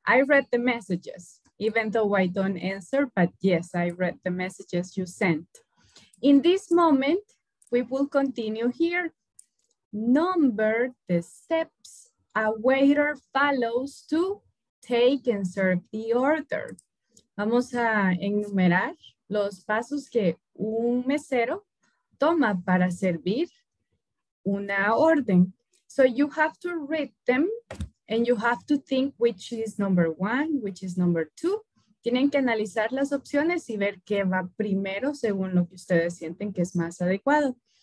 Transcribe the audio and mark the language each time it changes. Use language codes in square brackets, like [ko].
[en] I read the messages, even though I don't answer, but yes, I read the messages you sent. In this moment, we will continue here. Number the steps a waiter follows to take and serve the order. [es] Vamos a enumerar los pasos que un mesero toma para servir una orden. [en] So you have to read them and you have to think which is number one, which is number two. [es] Tienen que analizar las opciones y ver qué va primero según lo que ustedes sienten que es más adecuado.